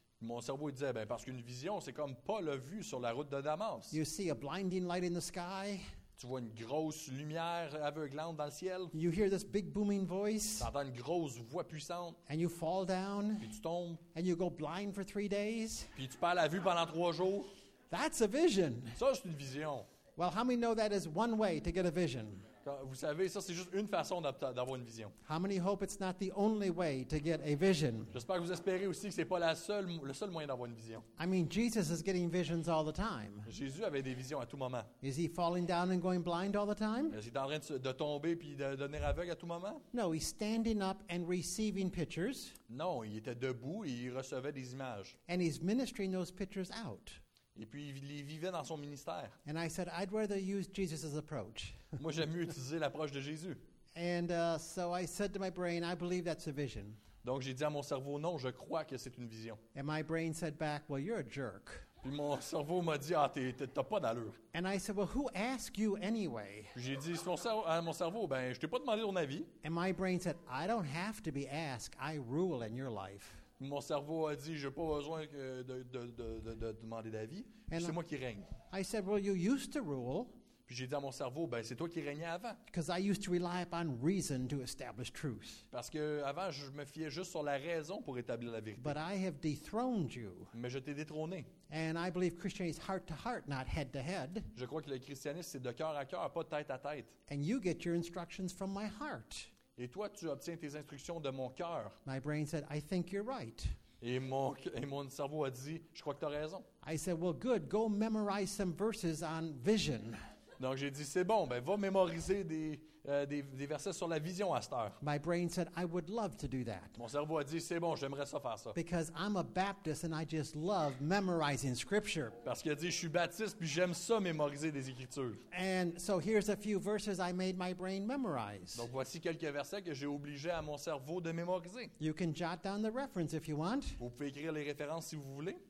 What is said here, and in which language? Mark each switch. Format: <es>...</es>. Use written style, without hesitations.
<fr>Mon cerveau, il disait, ben parce qu'une vision, c'est comme Paul a vu sur la route de Damas.</fr> <en>You see a blinding light in the sky.</en> <fr>Tu vois une grosse lumière aveuglante dans le ciel.</fr> <en>You hear this big booming voice.</en> <fr>Tu entends une grosse voix puissante.</fr> <en>And you fall down.</en> <fr>Puis tu tombes.</fr> <en>And you go blind for 3 days.</en> <fr>Puis tu perds la vue pendant 3 jours.</fr> <en>That's a vision.</en> <fr>Ça, c'est une vision.</fr> <en>Well, how many know that is one way to get a vision?</en> <fr>Vous savez, ça, c'est juste une façon d'avoir une vision.</fr> <en>How many hope it's not the only way to get a vision?</en> <fr>J'espère que vous espérez aussi que c'est pas le seul moyen d'avoir une vision.</fr> <en>I mean, Jesus is getting visions all the time.</en> <fr>Jésus avait des visions à tout moment.</fr> <en>Is he falling down and going blind all the time?</en> <fr>Est-ce qu'il est en train de tomber puis de devenir aveugle à tout moment?</fr> <en>No, he's standing up and receiving pictures.</en> <fr>Non, il était debout et il recevait des images.</fr> <en>And he's ministering those pictures out.</en> <fr>Et puis il vivait dans son ministère.</fr> <en>And I said, I'd rather use Jesus' approach.</en> <fr>Moi, j'aime mieux utiliser l'approche de Jésus.</fr> <en>And so I said to my brain, I believe that's a vision.</en> <fr>Donc j'ai dit à mon cerveau, non, je crois que c'est une vision.</fr> <en>And my brain said back, well, you're a jerk.</en> <fr>Puis mon cerveau m'a dit, ah, t'as pas d'allure.</fr> <en>And I said, well, who asked you anyway?</en> <fr>J'ai dit à mon cerveau, ben, je t'ai pas demandé ton avis.</fr> <en>And my brain said, I don't have to be asked. I rule in your life.</en> <fr>Mon cerveau a dit, je n'ai pas besoin de demander d'avis. And c'est moi qui règne.</fr> <en>I said, well, you used to rule.</en> <fr>Puis j'ai dit à mon cerveau, ben, c'est toi qui régnais avant.</fr> <en>Because I used to rely upon reason to establish truth.</en> <fr>Parce qu'avant, je me fiais juste sur la raison pour établir la vérité.</fr> <en>But I have dethroned you.</en> <fr>Mais je t'ai détrôné.</fr> <en>And I believe Christianity is heart to heart, not head to head.</en> <fr>Je crois que le christianisme, c'est de cœur à cœur, pas de tête à tête.</fr> <en>And you get your instructions from my heart.</en> <fr>Et toi, tu obtiens tes instructions de mon cœur.</fr> <en>My brain said, I think you're right.</en> <fr>Et mon cerveau a dit, je crois que tu as raison.</fr> <en>I said, well, good, go memorize some verses on vision.</en> <fr>Donc j'ai dit, c'est bon, ben va mémoriser des versets sur la vision à cette heure.</fr> <en>My brain said, I would love to do that.</en> <fr>Mon cerveau a dit, c'est bon, j'aimerais ça faire ça.</fr> <en>Because I'm a Baptist and I just love memorizing scripture.</en> <fr>Parce qu'il a dit, je suis baptiste puis j'aime ça mémoriser des écritures.</fr> <en>And so here's a few verses I made my brain memorize.</en> <fr>Donc voici quelques versets que j'ai obligé à mon cerveau de mémoriser.</fr> <en>You can jot down the reference if you want.</en> <fr>Vous pouvez écrire les références si vous voulez.</fr>